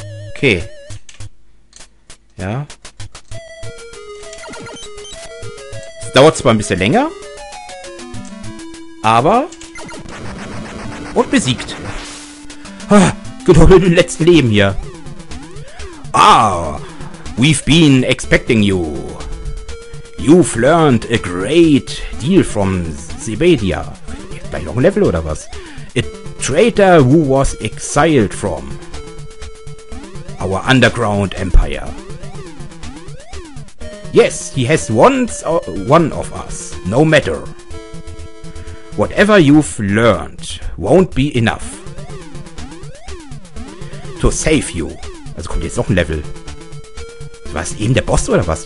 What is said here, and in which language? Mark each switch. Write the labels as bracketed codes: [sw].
[de] Okay. Ja. Dauert zwar ein bisschen länger, aber... Und besiegt. Ah, genau im letzten Leben hier. [en] Ah, we've been expecting you. You've learned a great deal from Zebedia. [de] Gleich noch ein Level oder was? [en] A traitor who was exiled from our underground empire. Yes, he has one of us, no matter. Whatever you've learned won't be enough to save you. [de] Also kommt jetzt noch ein Level. Was, eben der Boss oder was?